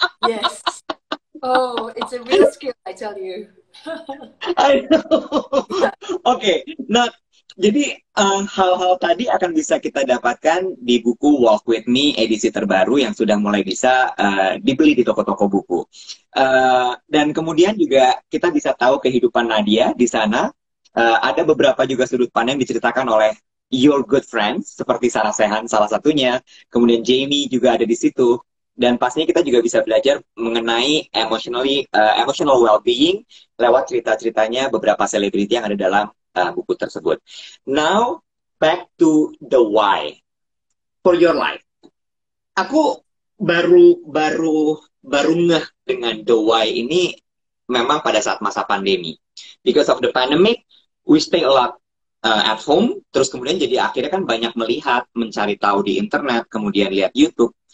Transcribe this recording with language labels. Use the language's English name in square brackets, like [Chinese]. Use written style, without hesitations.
[English] Yes. Oh, it's a real skill, I tell you. I know. Oke. Okay. [Indonesian] Nah, jadi hal-hal tadi akan bisa kita dapatkan di buku Walk With Me edisi terbaru yang sudah mulai bisa dibeli di toko-toko buku. Dan kemudian juga kita bisa tahu kehidupan Nadya di sana. Ada beberapa juga sudut pandang diceritakan oleh [English] your good friends, [Indonesian] seperti Sarah Sehan salah satunya. Kemudian Jamie juga ada di situ. Dan pastinya kita juga bisa belajar mengenai emotional well-being lewat cerita-ceritanya beberapa selebriti yang ada dalam buku tersebut. [English] Now, back to the why for your life. [Indonesian] Aku baru ngeh dengan the why ini memang pada saat masa pandemi. [English] Because of the pandemic, we stay a lot at home, [Indonesian] terus kemudian jadi akhirnya kan banyak melihat, mencari tahu di internet, kemudian lihat YouTube.